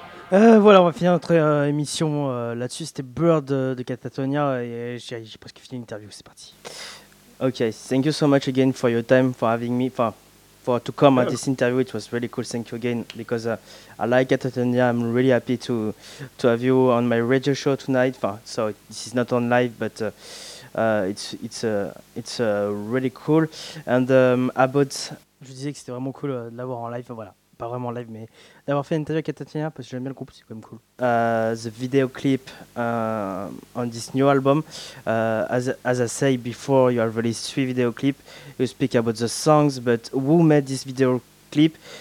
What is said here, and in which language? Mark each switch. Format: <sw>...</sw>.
<fr>Voilà, on va finir notre émission là-dessus. C'était Bird de Catatonia et j'ai presque fini l'interview. C'est parti.</fr> <en>Ok, thank you so much again for your time, for having me, for to come at this interview. It was really cool. Thank you again because I like Catatonia. I'm really happy to have you on my radio show tonight. So this is not on live, but it's really cool. And about,</en> <fr>je disais que c'était vraiment cool de l'avoir en live. Voilà. Pas vraiment live, mais d'avoir fait une interview à Catatonia parce que j'aime bien le groupe, c'est quand même cool.</fr> <en>The video clip on this new album, as I say before, you have released 3 video clips. You speak about the songs, but who made this video clip?</en>